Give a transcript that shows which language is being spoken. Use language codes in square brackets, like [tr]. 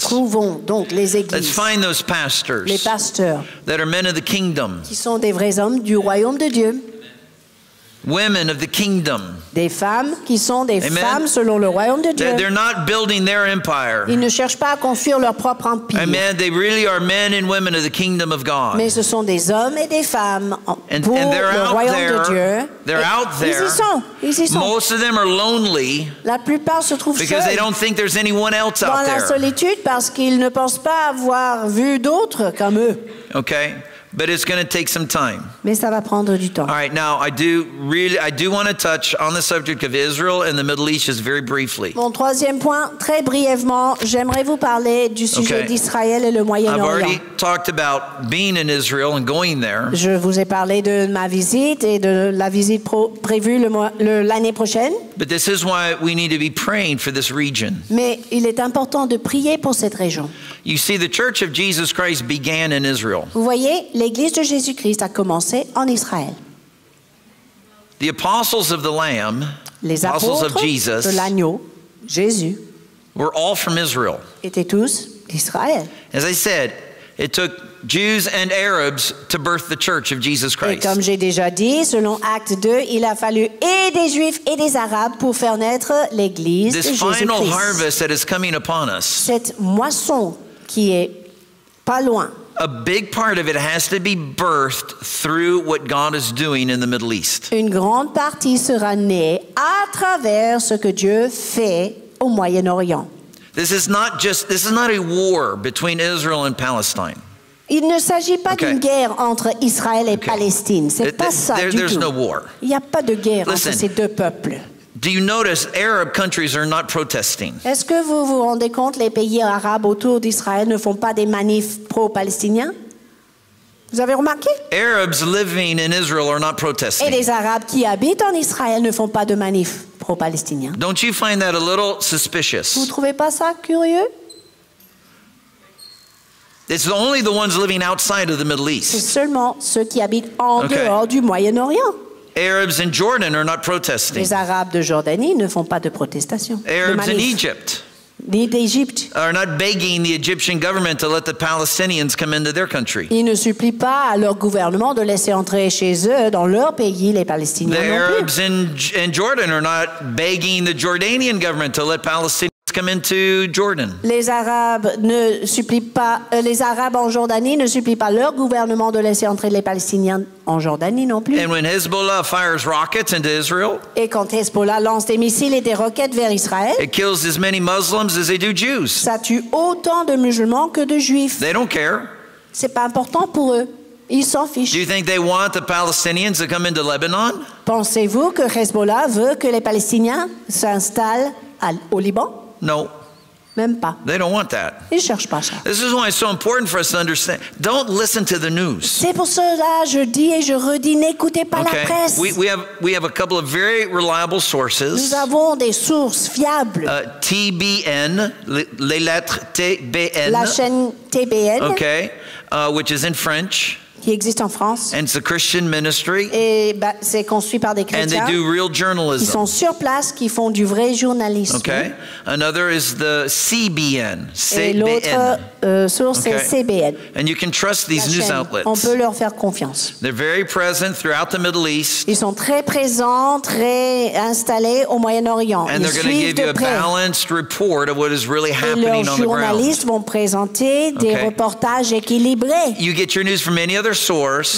[fr] Trouvons donc les églises. [en] Let's find those pastors. [fr] Les pasteurs. [en] That are men of the kingdom. [fr] Qui sont des vrais hommes du royaume de Dieu. [en] Women of the kingdom. [fr] Des femmes qui sont des Amen. Femmes selon le royaume de Dieu. [en] They're not building their empire. [fr] Ils ne cherchent pas à construire leur propre empire. Amen. [en] They really are men and women of the kingdom of God. [fr] Mais ce sont des hommes et des femmes pour [en] and [fr] le royaume [en] there. [fr] De Dieu. [en] They're [fr] et [en] out there. [fr] Ils y sont. Ils y sont. [en] Most of them are lonely. [fr] La plupart se trouvent [en] because [fr] seuls. [en] They don't think there's anyone else out there. [fr] Dans la solitude parce qu'ils ne pensent pas avoir vu d'autres comme eux. [en] Okay. But it's going to take some time. [fr] Mais ça va prendre du temps. [en] All right, now I do want to touch on the subject of Israel and the Middle East just very briefly. [fr] Mon troisième point, très brièvement, j'aimerais vous parler du sujet [en] okay. [fr] d'Israël et le Moyen-Orient. [en] I've already talked about being in Israel and going there. [fr] Je vous ai parlé de ma visite et de la visite prévue l'année prochaine. [en] But this is why we need to be praying for this region. [fr] Mais il est important de prier pour cette région. [en] You see, the Church of Jesus Christ began in Israel. [fr] Vous voyez, l'Église de Jésus-Christ a commencé en Israël. [en] The apostles of the Lamb, [fr] les apôtres [en] of Jesus, [fr] de l'agneau, Jésus, [en] were all from Israel. [fr] Étaient tous d'Israël. [en] As I said, it took Jews and Arabs to birth the Church of Jesus Christ. [fr] Et comme j'ai déjà dit, selon Acte 2, il a fallu et des Juifs et des Arabes pour faire naître l'Église de Jésus-Christ. [en] This final harvest that is coming upon us. [fr] Cette moisson qui est pas loin. [en] A big part of it has to be birthed through what God is doing in the Middle East. [fr] Une grande partie sera née à travers ce que Dieu fait au Moyen-Orient. [en] This is not a war between Israel and Palestine. [fr] Il ne s'agit pas [en] okay. [fr] d'une guerre entre Israël et okay. Palestine. C'est pas ça [en] there, [fr] du tout. [en] There's no war. [fr] Il n'y a pas de guerre [en] Listen, [fr] entre ces deux peuples. [en] Do you notice Arab countries are not protesting? [fr] Est-ce que vous vous rendez compte les pays arabes autour d'Israël ne font pas des manifs pro-palestiniens? Vous avez remarqué? [en] Arabs living in Israel are not protesting. [fr] Et les Arabes qui habitent en Israël ne font pas de manifs pro-palestiniens. [en] Don't you find that a little suspicious? [fr] Vous trouvez pas ça curieux? [en] It's only the ones living outside of the Middle East. [fr] C'est seulement ceux qui habitent en [en] okay. [fr] dehors du Moyen-Orient. [en] Arabs in Jordan are not protesting. [fr] Les Arabes de Jordanie ne font pas de protestation. [en] Arabs in Egypt. [fr] Ni d'Égypte. [en] Are not begging the Egyptian government to let the Palestinians come into their country. [fr] Ils ne supplient pas à leur gouvernement de laisser entrer chez eux dans leur pays les Palestiniens. [en] The Arabs in Jordan are not begging the Jordanian government to let Palestinians come into Jordan. [fr] Les Arabes en Jordanie ne supplient pas leur gouvernement de laisser entrer les Palestiniens en Jordanie non plus. [en] And when Hezbollah fires rockets into Israel, [fr] et quand Hezbollah lance des missiles et des roquettes vers Israël, [en] it kills as many Muslims as they do Jews. [fr] Ça tue autant de musulmans que de juifs. [en] They don't care. [fr] C'est pas important pour eux. Ils s'en fichent. [en] Do you think they want the Palestinians to come into Lebanon? [fr] Pensez-vous que Hezbollah veut que les Palestiniens s'installent au Liban? [en] No. [fr] Même pas. [en] They don't want that. [fr] Ils cherchent pas ça. [en] This is why it's so important for us to understand. Don't listen to the news. [fr] C'est pour cela je dis et je redis, n'écoutez pas [en] okay. [fr] la presse. [en] We have a couple of very reliable sources. [fr] Nous avons des sources fiables. TBN, les lettres TBN. La chaîne TBN. [en] Okay. Which is in French. [fr] Qui existe en France. [en] And it's a Christian ministry. [fr] Et bah, c'est construit par des chrétiens. [en] And they do real journalism. [fr] Ils sont sur place, qui font du vrai journalisme. [en] Okay. Another is the CBN. [fr] Et l'autre source [en] okay. [fr] est CBN. [en] And you can trust these [fr] La [en] news [fr] chaîne. [en] Outlets. [fr] On peut leur faire confiance. [en] They're very present throughout the Middle East. [fr] Ils sont très présents, très installés au Moyen-Orient. [en] And [fr] Ils [en] they're going to give you a [fr] près. [en] Balanced report of what is really happening on the ground. [fr] Et leurs journalistes vont présenter [en] okay. [fr] des reportages équilibrés. [en] You get your news from any other source,